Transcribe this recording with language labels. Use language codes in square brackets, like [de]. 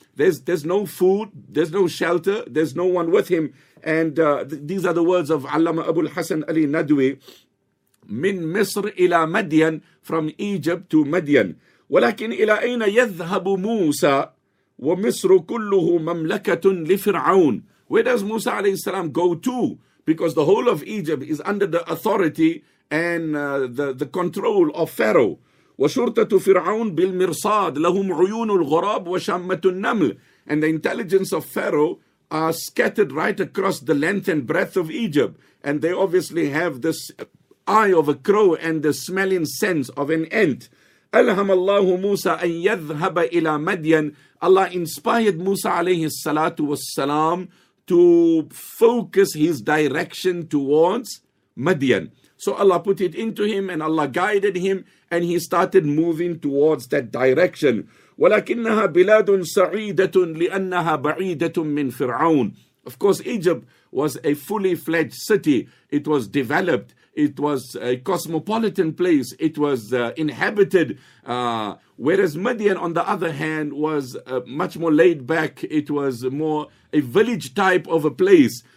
[en] There's no food, there's no shelter, there's no one with him. And these are the words of Allama Abu al-Hasan Ali Nadwi. [ar] Min Misr ila Madian, [en] from Egypt to Madian. [ar] ولكن إلى أين يذهب موسى ومصر كله مملكة لفرعون. [en] Where does Musa alayhi salam go to? Because the whole of Egypt is under the authority and the control of Pharaoh. [ar] وشرطة فرعون بالمرصاد لهم عيون الغراب وشامة النمل. [en] And the intelligence of Pharaoh are scattered right across the length and breadth of Egypt. And they obviously have this eye of a crow and the smelling sense of an ant. [ar] ألهم الله موسى أن يذهب إلى مدين. [en] Allah inspired Musa عليه الصلاة والسلام to focus his direction towards Madian. So Allah put it into him and Allah guided him and he started moving towards that direction. [ar] ولكنها بلاد سعيدة لأنها بعيدة من فرعون. [en] Of course, Egypt was a fully fledged city. It was developed. It was a cosmopolitan place. It was inhabited. Whereas Madian, on the other hand, was much more laid back. It was more a village type of a place.